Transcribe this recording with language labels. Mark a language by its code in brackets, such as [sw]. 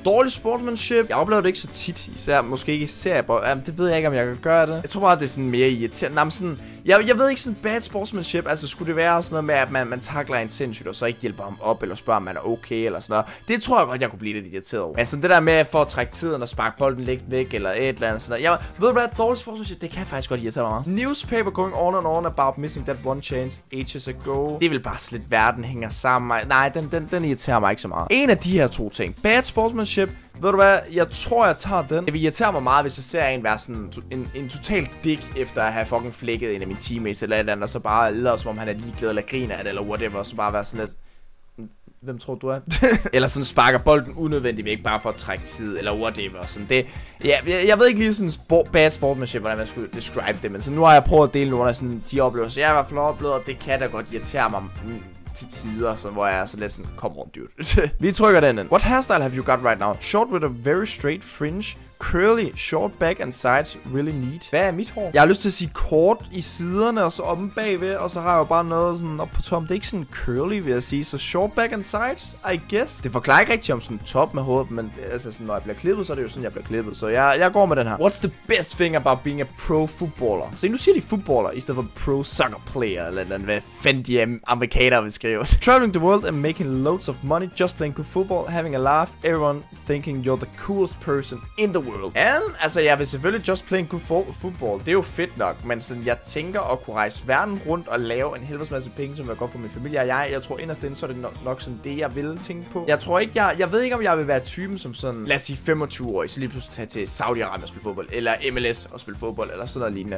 [da] Dårlig sportsmanship. Jeg oplever det ikke så tit, især måske ikke især, men det ved jeg ikke, om jeg kan gøre det. Jeg tror bare, det er sådan mere irriterende. Nej, men sådan, jeg ved ikke sådan bad sportsmanship, altså skulle det være sådan noget med, at man takler en sindssygt, og så ikke hjælper ham op, eller spørger, om man er okay, eller sådan noget. Det tror jeg godt, jeg kunne blive lidt irriteret over. Men sådan det der med, for at trække tiden og sparke bolden lidt væk, eller et eller andet sådan noget. Ved du hvad, dårlig sportsmanship, det kan faktisk godt irritere mig. [en] Newspaper going on and on about missing that one chance ages ago. [da] Det vil bare slet verden hænger sammen. Nej, den irriterer mig ikke så meget. En af de her to ting. Bad sportsmanship. Ved du hvad, jeg tror jeg tager den. Det vil irritere mig meget, hvis jeg ser en være sådan en total dick efter at have fucking flækket en af mine teammates eller et eller andet, og så bare lader som om han er ligeglad eller griner af det eller whatever, så bare være sådan lidt, hvem tror du er? Eller sådan sparker bolden unødvendigt væk bare for at trække tid eller whatever. Sådan det, ja, jeg ved ikke lige sådan bad sportsmanship, hvordan man skulle describe det, men så nu har jeg prøvet at dele nogle af sådan de oplevelser, jeg i hvert fald har oplevet, og det kan da godt irritere mig til tider, så hvor jeg er så lidt sådan, [en] come on, dude. [da] Vi trykker den ind. [en] What hairstyle have you got right now? Short with a very straight fringe. Curly, short back and sides, really neat. [da] Hvad er mit hår? Jeg har lyst til at sige kort i siderne, og så oppe bagved, og så har jeg jo bare noget sådan op på toppen. Det er ikke sådan curly, vil jeg sige. Så [en] short back and sides, I guess. [da] Det forklarer ikke rigtig om sådan top med hovedet, men altså sådan, når jeg bliver klippet, så er det jo sådan, jeg bliver klippet. Så jeg går med den her. [en] What's the best thing about being a pro footballer? [da] Se, nu siger de footballer, i stedet for pro soccer player, eller den, hvad fanden de amerikanere vil skrive. [en] Traveling the world and making loads of money, just playing good football, having a laugh, everyone thinking you're the coolest person in the world. [da] Altså jeg vil selvfølgelig just play en good football. Det er jo fedt nok, men sådan jeg tænker at kunne rejse verden rundt og lave en helvedes masse penge, som er godt for min familie og jeg tror inderst inde, så er det nok sådan det, jeg vil tænke på. Jeg tror ikke, jeg ved ikke, om jeg vil være typen som sådan, lad os sige 25-årig, så lige pludselig tage til Saudi-Arabien og spille fodbold, eller MLS og spille fodbold, eller sådan noget lignende.